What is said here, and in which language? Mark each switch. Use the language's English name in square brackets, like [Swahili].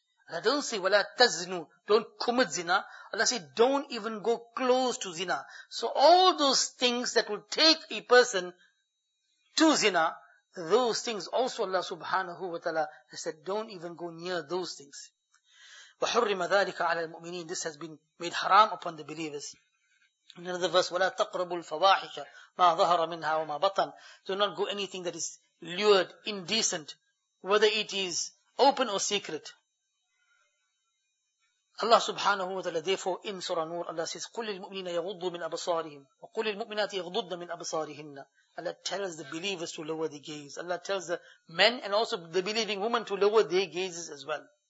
[English] Allah don't say, [Arabic] وَلَا تَزْنُ. [English] Don't commit zina. Allah says, don't even go close to zina. So all those things that will take a person to zina, those things also Allah subhanahu wa ta'ala has said, don't even go near those things. [Arabic] وَحُرِّمَ ذَلِكَ عَلَى الْمُؤْمِنِينَ. [English] This has been made haram upon the believers. [Arabic] In another verse, وَلَا تَقْرَبُ الْفَوَاحِشَ مَا ظَهَرَ مِنْهَا وَمَا بَطَنْ. [English] Do not go anything that is lewd, indecent, whether it is open or secret. [Arabic] Allah subhanahu wa ta'ala, therefore, in Surah Nur, Allah says, قُلِ الْمُؤْمِنِينَ يَغُضُّ مِنْ أَبْصَارِهِمْ وَقُلِ الْمُؤْمِنَاتِ يَغْضُضْنَ مِنْ أَبْصَارِهِنَّ. [English] Allah tells the believers to lower the gaze. Allah tells the men and also the believing women to lower their gazes as well.